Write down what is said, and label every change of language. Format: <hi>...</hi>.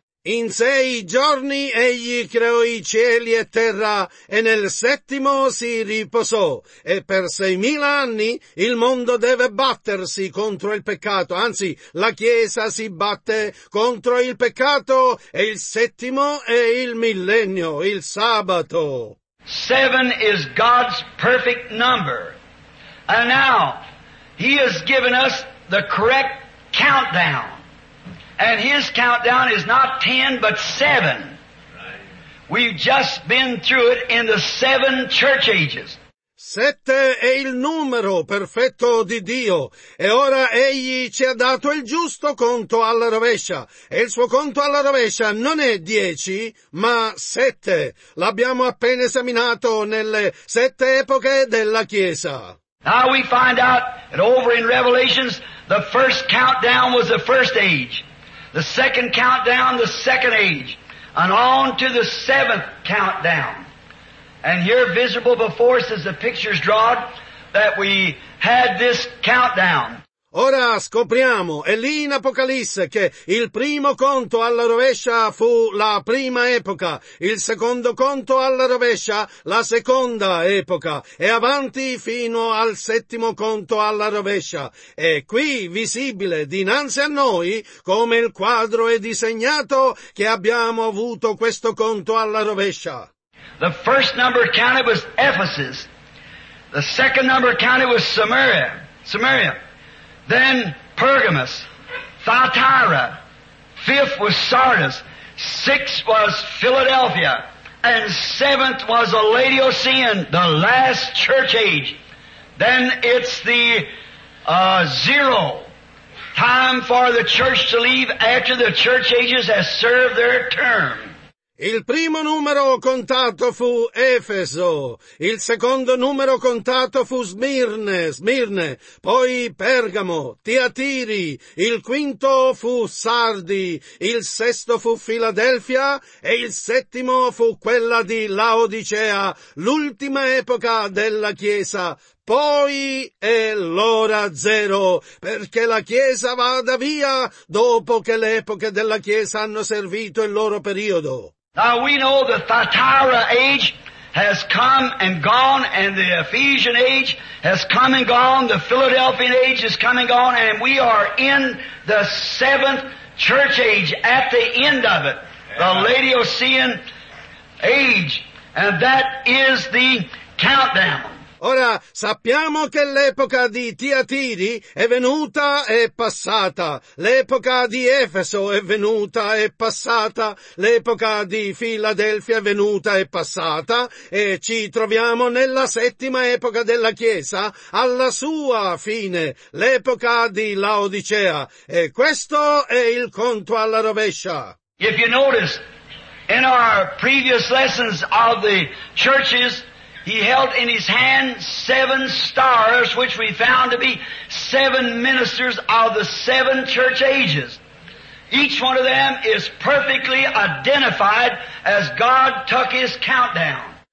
<it>In 6 giorni egli creò i cieli e terra, e nel settimo si riposò, e per 6,000 anni il mondo deve battersi contro il peccato, anzi la Chiesa si batte contro il peccato, e il settimo è il millennio, il sabato.</it> <en>7 is God's perfect number. And now, He has given us the correct countdown. And His countdown is not 10, but 7. We've just been through it in the 7 church ages.</en> <it>7 è il numero perfetto di Dio, e ora Egli ci ha dato il giusto conto alla rovescia, e il suo conto alla rovescia non è 10, ma 7. L'abbiamo appena esaminato nelle 7 epoche della Chiesa.</it> <en>Now we find out that over in Revelations, the first countdown was the first age, the second countdown the second age, and on to the seventh countdown. And here visible before us as the pictures drawn that we had this countdown.</en> <it>Ora scopriamo, e lì in Apocalisse, che il primo conto alla rovescia fu la prima epoca, il secondo conto alla rovescia la seconda epoca, e avanti fino al settimo conto alla rovescia. E qui, visibile dinanzi a noi, come il quadro è disegnato, che abbiamo avuto questo conto alla rovescia.</it> <en>The first number counted was Ephesus. The second number counted was Samaria. Then Pergamos, Thyatira. Fifth was Sardis. Sixth was Philadelphia. And seventh was the Laodicean, the last church age. Then it's the zero time for the church to leave after the church ages has served their term.</en> <it>Il primo numero contato fu Efeso, il secondo numero contato fu Smirne, poi Pergamo, Tiatiri, il quinto fu Sardi, il sesto fu Filadelfia e il settimo fu quella di Laodicea, l'ultima epoca della Chiesa, poi è l'ora zero, perché la Chiesa vada via dopo che le epoche della Chiesa hanno servito il loro periodo.</it> <en>Now we know the Thyatira age has come and gone, and the Ephesian age has come and gone, the Philadelphian age has come and gone, and we are in the seventh church age at the end of it, the Laodicean age, and that is the countdown.</en> <it>Ora, sappiamo che l'epoca di Tiatiri è venuta e passata, l'epoca di Efeso è venuta e passata, l'epoca di Filadelfia è venuta e passata, e ci troviamo nella settima epoca della Chiesa, alla sua fine, l'epoca di Laodicea, e questo è il conto alla rovescia.</it> <en>If you notice, in our previous lessons of the churches, he held in his hand seven stars, which we found to be seven ministers of the seven church ages. Each one of them is perfectly identified as God took his countdown.</en>